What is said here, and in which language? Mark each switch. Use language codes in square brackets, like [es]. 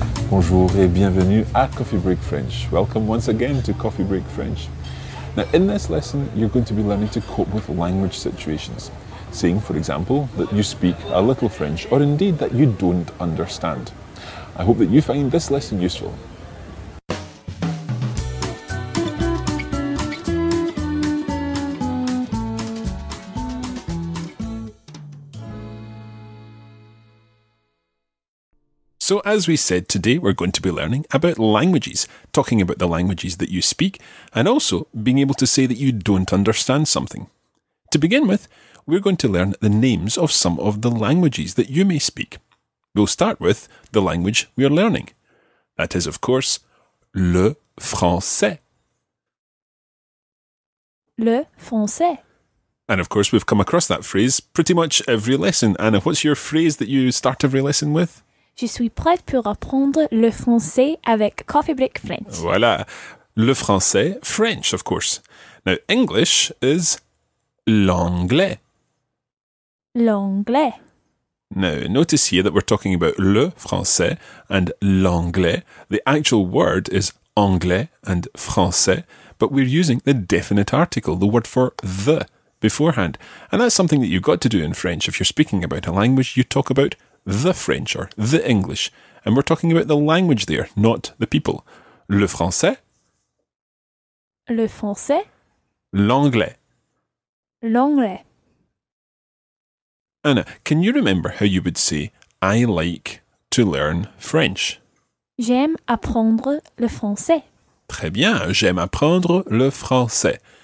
[fr] Bonjour et bienvenue à Coffee Break French. [en] Welcome once again to Coffee Break French. Now, in this lesson, you're going to be learning to cope with language situations, saying, for example, that you speak a little French, or indeed that you don't understand. I hope that you find this lesson useful. So as we said, today we're going to be learning about languages, talking about the languages that you speak, and also being able to say that you don't understand something. To begin with, we're going to learn the names of some of the languages that you may speak. We'll start with the language we are learning. That is, of course, le français. [fr] Le français. [en] And of course, we've come across that phrase pretty much every lesson. Anna, what's your phrase that you start every lesson with? [fr] Je suis prête pour apprendre le français avec Coffee Break French. Voilà. Le français, [en] French, of course. Now, English is l'anglais. [fr] L'anglais. [en] Now, notice here that we're talking about le français and l'anglais. The actual word is anglais and français, but we're using the definite article, the word for the, beforehand. And that's something that you've got to do in French. If you're speaking about a language, you talk about the French or the English. And we're talking about the language there, not the people. [fr] Le français. Le français. L'anglais. L'anglais. [en] Anna, can you remember how you would say, I like to learn French? [fr] J'aime apprendre le français. Très bien, j'aime apprendre le français.